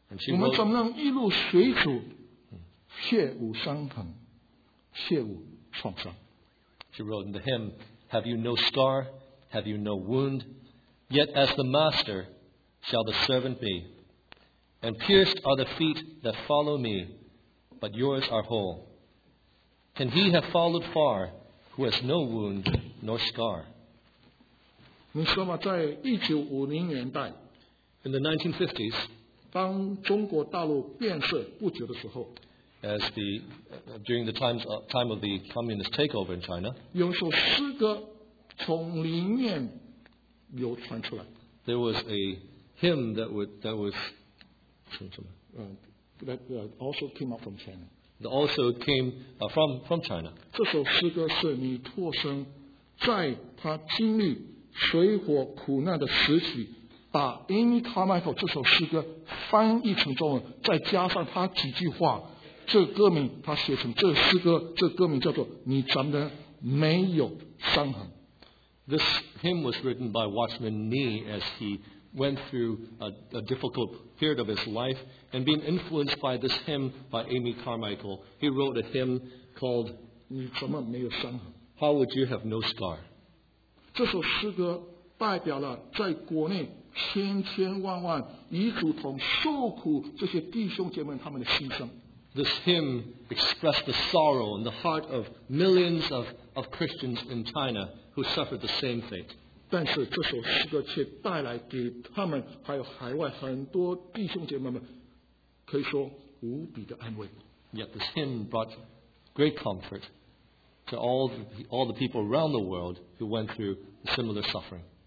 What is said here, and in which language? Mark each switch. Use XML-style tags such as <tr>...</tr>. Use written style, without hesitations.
<zh>我们怎么能一路随主，却无伤痕，却无创伤？</zh> <en>She wrote in the hymn,Have you no scar? Have you no wound? Yet as the master shall the servant be. And pierced are the feet that follow me, but yours are whole. Can he have followed far who has no wound nor scar?</en> <zh>你说嘛，在1950年代，</zh> <en>In the 1950s,</en> <zh>当中国大陆变色不久的时候，</zh> <en>As the during the time of the communist takeover in China,</en> <zh>有首诗歌从里面流传出来。</zh> <en>There was a hymn that was</en> <zh>从什么？</zh> <en>That also came up from China. That also came from China.</en> <zh>这首诗歌是你托生在他经历水火苦难的时期。把 Amy Carmichael 这首诗歌翻译成中文，再加上他几句话。这歌名他写成这诗歌，这歌名叫做《你怎么能没有伤痕》。</zh> <en>This hymn was written by Watchman Nee as he went through a difficult period of his life, and being influenced by this hymn by Amy Carmichael, he wrote a hymn called</en> <zh>你怎么没有伤痕?</zh> <en>How Would You Have No Scar?</en> <zh>这首诗歌代表了在国内千千万万与主同受苦这些弟兄姐妹他们的心声。</zh> <en>This hymn expressed the sorrow in the heart of millions of Christians in China who suffered the same fate.</en> <zh>但是这首诗歌却带来给他们还有海外很多弟兄姐妹们可以说无比的安慰。</zh> <en>Yet this hymn brought great comfort to all the people around the world who went through similar suffering.</en>